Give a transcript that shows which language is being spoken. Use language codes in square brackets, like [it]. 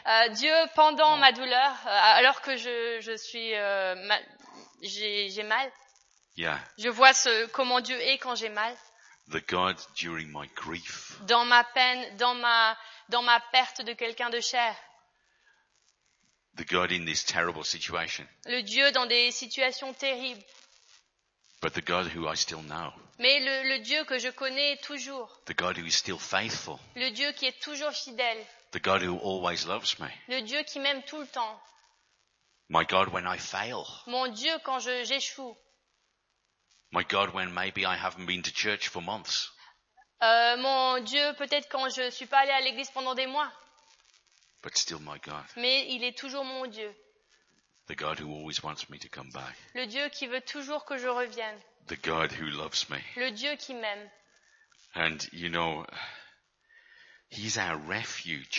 [fr] Dieu pendant ma douleur, alors que je suis j'ai mal. [en] Yeah. [fr] Je vois comment Dieu est quand j'ai mal. [en] The God during my grief. [fr] Dans ma peine, dans ma perte de quelqu'un de cher. [en] The God in this terrible situation. [fr] Le Dieu dans des situations terribles. [en] But the God who I still know. [fr] Mais le Dieu que je connais toujours. [en] The God who is still faithful. [fr] Le Dieu qui est toujours fidèle. [en] The God who always loves me. [fr] Le Dieu qui m'aime tout le temps. [en] My God when I fail. [fr] Mon Dieu quand j'échoue. [en] My God when maybe I haven't been to church for months. [fr] Mon Dieu peut-être quand je suis pas allé à l'église pendant des mois. [en] But still my God. [fr] Mais il est toujours mon Dieu. [en] The God who always wants me to come back. [fr] Le Dieu qui veut toujours que je revienne. [en] The God who loves me. [fr] Le Dieu qui m'aime. [en] And you know, He's our refuge.